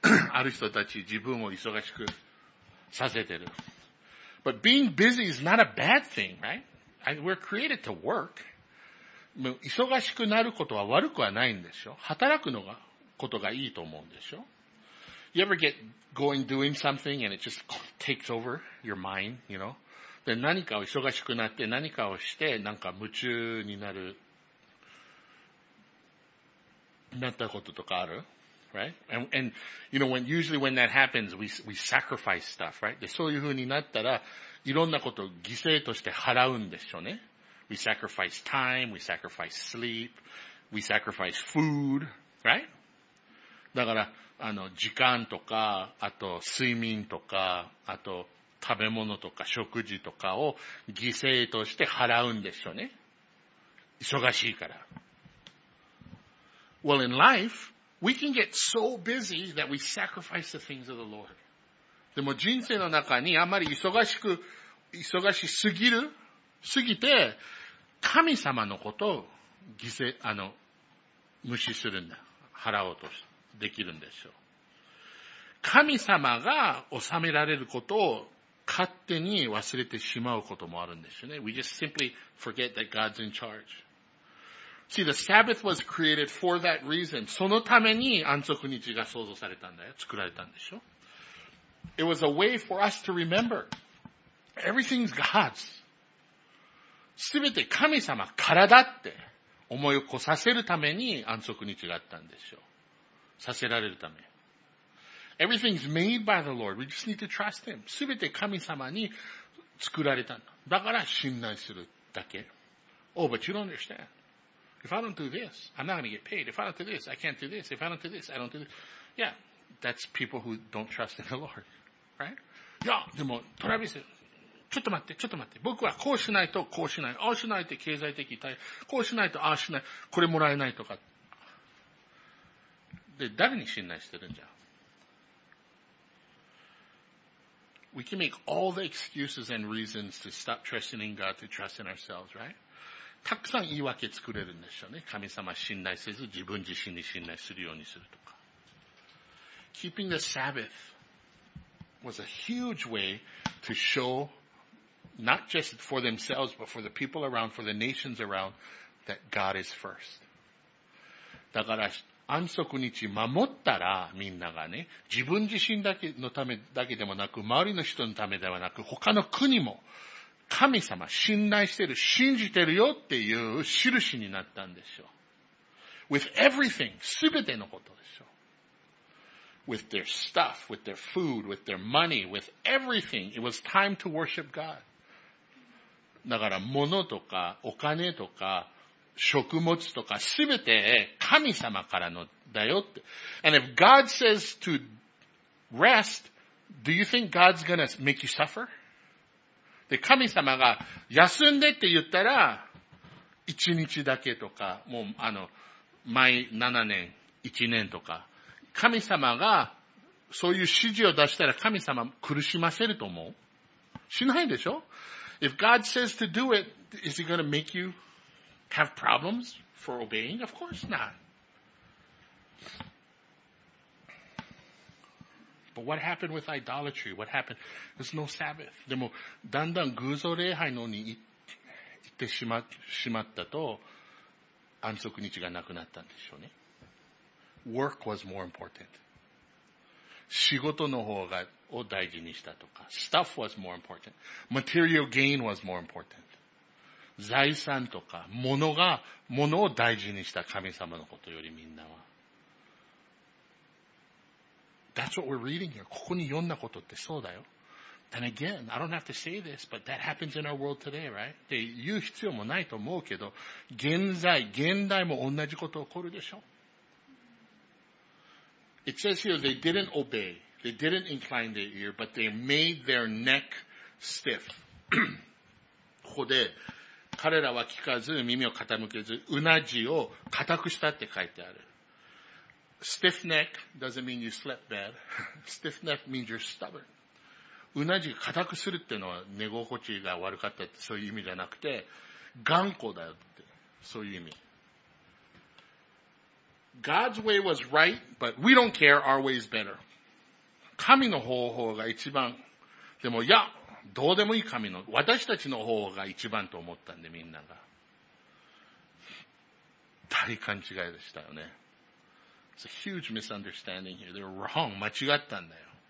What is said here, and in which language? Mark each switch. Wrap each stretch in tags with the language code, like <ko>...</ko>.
<ja>ある人たち自分を忙しくさせてる。</ja> <en>But being busy is not a bad thing, right? We're created to work.</en> <ja>忙しくなることは悪くはないんでしょ？働くのが、ことがいいと思うんでしょ？</ja> <en>You ever get going doing something and it just takes over your mind, you know?</en> <ja>で、何かを忙しくなって何かをしてなんか夢中になる、なったこととかある</ja> <en>right? And, you know, when, usually when that happens, we sacrifice stuff, right?</en> <ja>で、そういう風になったら、いろんなことを犠牲として払うんでしょうね。</ja> <en>We sacrifice time, we sacrifice sleep, we sacrifice food, right?</en> <ja>だから、時間とか、あと睡眠とか、あと食べ物とか食事とかを犠牲として払うんでしょうね。忙しいから。</ja> <en>Well, in life, we can get so busy that we sacrifice the things of the Lord.</en> <ja>でも人生の中にあまり忙しすぎる、すぎて、神様のことを犠牲、無視するんだ。払おうとして。できるんでしょう。神様が治められることを勝手に忘れてしまうこともあるんですよね。</ja> <en>We just simply forget that God's in charge. See, the Sabbath was created for that reason.</en> <ja>そのために安息日が創造されたんだよ。作られたんでしょ。</ja> <en>It was a way for us to remember. Everything's God's.</en> <ja>すべて神様からだって思い起こさせるために安息日があったんでしょう。させられるため。</ja> <en>Everything's made by the Lord. We just need to trust Him.</en> <ja>すべて神様に作られた。だから信頼するだけ。</ja> <en>Oh, but you don't understand. If I don't do this, I'm not going to get paid. If I don't do this, I can't do this. If I don't do this, I don't do this. Yeah, that's people who don't trust in the Lord. Right?</en> <ja>いや、でも、トラビス、ちょっと待って、ちょっと待って。僕はこうしないと、こうしない。ああしないと経済的対、こうしないと、ああしない。これもらえないとか。で、誰に信頼してるんじゃん。</ja> <en>We can make all the excuses and reasons to stop trusting in God, to trust in ourselves, right?</en> <ja>たくさん言い訳作れるんでしょうね。神様信頼せず、自分自身に信頼するようにするとか。</ja> <en>Keeping the Sabbath was a huge way to show, not just for themselves, but for the people around, for the nations around, that God is first.</en> <ja>だから、安息日守ったら、みんながね、自分自身だけのためだけでもなく、周りの人のためではなく、他の国も、神様、信頼してる、信じてるよっていう印になったんでしょう。</ja> <en>With everything,</en> <ja>すべてのことでしょう。</ja> <en>With their stuff, with their food, with their money, with everything, it was time to worship God.</en> <ja>だから、物とか、お金とか、食物とか、すべて神様からのだよって。</ja> <en>And if God says to rest, do you think God's gonna make you suffer?</en> <ja>で、神様が休んでって言ったら、一日だけとか、もう毎7年、1年とか、神様がそういう指示を出したら神様苦しませると思う？しないでしょ？</ja> <en>If God says to do it, is he gonna make you have problems for obeying? Of course not. But what happened with idolatry? What happened? There's no Sabbath.</en> <ja>でも、だんだん偶像礼拝のに行ってしまったと、安息日がなくなったんでしょうね。</ja> <en>Work was more important.</en> <ja>仕事の方がを大事にしたとか。</ja> <en>Stuff was more important. Material gain was more important.</en> <ja>財産とか、物を大事にした神様のことよりみんなは。</ja> <en>That's what we're reading here.</en> <ja>ここに読んだことってそうだよ。</ja> <en>And again, I don't have to say this, but that happens in our world today, right?</en> <ja>って言う必要もないと思うけど、現代も同じこと起こるでしょ。</ja> <en>It says here they didn't obey. They didn't incline their ear, but they made their neck stiff.</en> <ja>ここで彼らは聞かず耳を傾けずうなじを固くしたって書いてある。</ja> <en>Stiff neck doesn't mean you slept bad. Stiff neck means you're stubborn.</en> <ja>うなじ固くするってのは寝心地が悪かったってそういう意味じゃなくて頑固だよってそういう意味。</ja> <en>God's way was right, but we don't care, our way is better.</en> <ja>神の方法が一番。でも、いや、どうでもいい神の、私たちの方が一番と思ったんで、みんなが。大勘違いでしたよね。</ja> <en>It's a huge misunderstanding here. They were wrong.</en> <ja>間違ったんだよ。</ja>